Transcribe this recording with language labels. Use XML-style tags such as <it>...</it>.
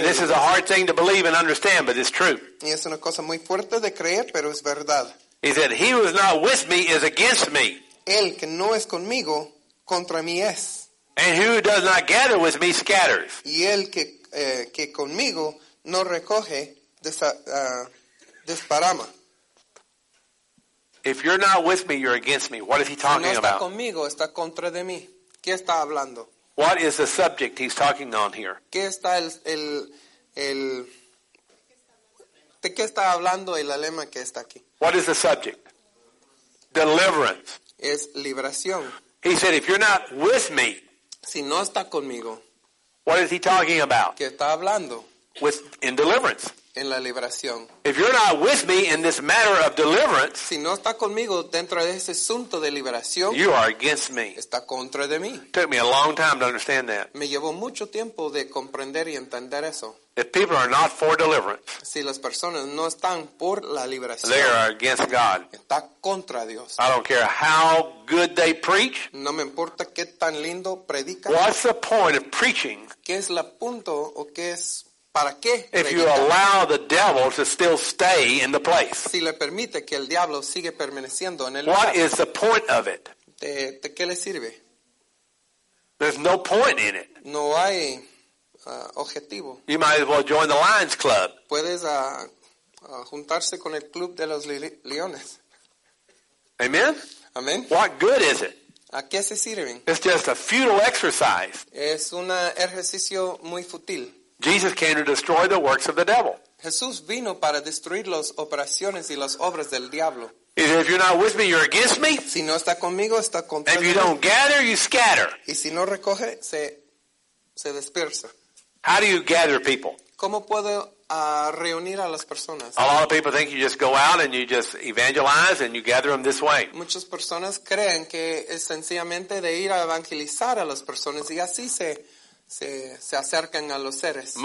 <en>And this is a hard thing to believe and understand, but it's true.</en> <es>Y es una cosa muy fuerte de creer, pero es verdad.</es> <en>He said, "He who is not with me is against me."</en> <es>El que no es conmigo contra mí es.</es> <en>And who does not gather with me scatters.</en> <es>Y el que conmigo no recoge desparrama.</es> <en>If you're not with me, you're against me. What is he talking about?</en> <es>Si no está conmigo, está contra de mí. ¿Qué está hablando?</es> <en>What is the subject he's talking on here?</en> <es>¿Qué está el de qué está hablando el lema que está aquí?</es> <en>What is the subject? Deliverance.</en> <es>Es liberación.</es> <en>He said, if you're not with me.</en> <es>Si no está conmigo.</es> <en>What is he talking about?</en> <es>¿Qué está hablando?</es> <en>In deliverance.</en> <es>En la liberación.</es> <en>If you're not with me in this matter of deliverance,</en> <es>si no está conmigo dentro de ese asunto de liberación,</es> <en>you are against me.</en> <es>Está contra de mí.</es> <en>Took me a long time to understand that.</en> <es>Me llevó mucho tiempo de comprender y entender eso.</es> <en>If people are not for deliverance,</en> <es>si las personas no están por la liberación,</es> <en>they are against God.</en> <es>Está contra Dios.</es> <en>I don't care how good they preach.</en> <es>No me importa qué tan lindo predican.</es> <en>What's the point of preaching?</en> <es>¿Qué es la punto o qué es? ¿Para qué?</es> <en>If you allow the devil to still stay in the place.</en> <es>Si le permite que el diablo sigue permaneciendo en el</es> <en>what</en> <es>lugar.</es> <en>Is the point of it?</en> <es>¿De qué le sirve?</es> <en>There's no point in it.</en> <es>No hay objetivo.</es> <en>You might as well join the Lions Club.</en> <es>Puedes juntarse con el club de los leones.</es> <en>Amen?</en> <es>Amen.</es> <en>What good is it?</en> <es>¿A qué se sirve?</es> <en>It's just a futile exercise.</en> <es>Es un ejercicio muy fútil.</es> <en>Jesus came to destroy the works of the devil.</en> <es>Jesús vino para destruir las operaciones y las obras del diablo.</es> <en>If you're not with me, you're against me.</en> <es>Si no está conmigo, está contra mí.</es> <en>If you don't gather, you scatter.</en> <es>Y si no recoge, se dispersa.</es> <en>How do you gather people?</en> <es>¿Cómo puedo reunir a las personas?</es> <en>A lot of people think you just go out and you just evangelize and you gather them this way.</en> <es>Muchas personas creen que es sencillamente de ir a evangelizar a las personas y así se acercan a los seres.</es>